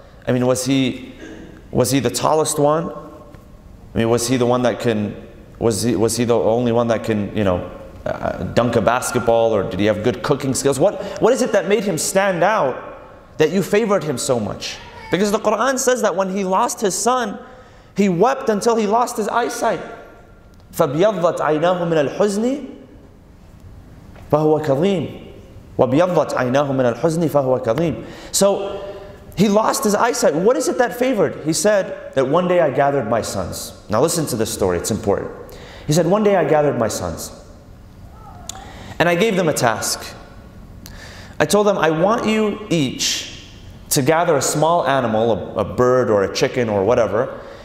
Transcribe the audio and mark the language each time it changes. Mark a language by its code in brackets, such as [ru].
[en] I mean, was he the tallest one? I mean, was he the only one that can dunk a basketball, or did he have good cooking skills? What is it that made him stand out that you favored him so much? Because the Quran says that when he lost his son, he wept until he lost his eyesight. [ar] فَبْيَضَّتْ عَيْنَاهُ مِنَ الْحُزْنِ فَهُوَ كَظِيمٌ وَبْيَضَّتْ عَيْنَاهُ مِنَ الْحُزْنِ فَهُوَ كَظِيمٌ [en] So, he lost his eyesight. What is it that favored? He said that one day I gathered my sons. Now listen to this story, it's important. He said, one day I gathered my sons. And I gave them a task. I told them, I want you each to gather a small animal, a bird or a chicken or whatever.